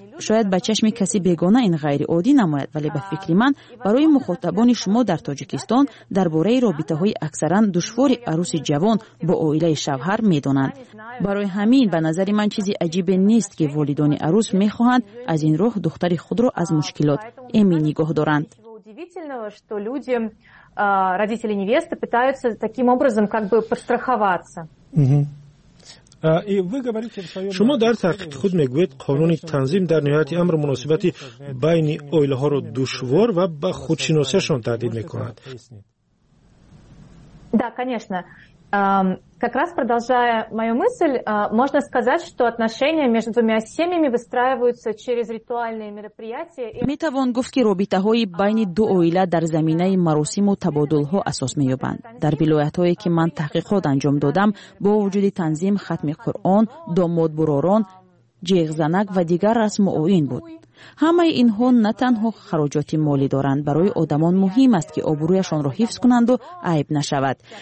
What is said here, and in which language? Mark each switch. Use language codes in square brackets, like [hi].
[tg] шояд ба чашми каси бегона ин ғайриоддӣ намояд, вале ба фикри ман барои мухотабони шумо дар Тоҷикистон дар бораи робитаҳои аксаран душвори аруси ҷавон бо оилаи шавҳар медонанд. барои ҳамин ба назари ман чизи аҷибе нест ки волидони арус мехоҳанд аз ин роҳ духтари худро аз мушкилот эмин нигоҳ доранд. [ru] родители невесты пытаются таким образом как бы подстраховаться. [tg] шумо дар таҳқиқи худ мегӯед қонуни танзим дар ниҳояти амр муносибати байни оилаҳоро душвор ва ба худшиносиашон таҳдид мекунад. [ru] да, конечно. как раз продолжая мою мысль, можно сказать, что отношения между двумя семьями выстраиваются через ритуальные мероприятия. [tg] метавон гуфт ки робитаҳои байни ду оила дар заминаи маросиму табодулҳо асос меёбанд. дар вилоятҳое ки ман таҳқиқот анҷом додам, бо вуҷуди танзим хатми Қуръон, домодбуророн, ҷиғзанак ва дигар расму оин буд. ҳамаи инҳо на танҳо хароҷоти молӣ доранд, барои одамон муҳим аст ки обрӯяшонро ҳифз кунанду айб нашавад.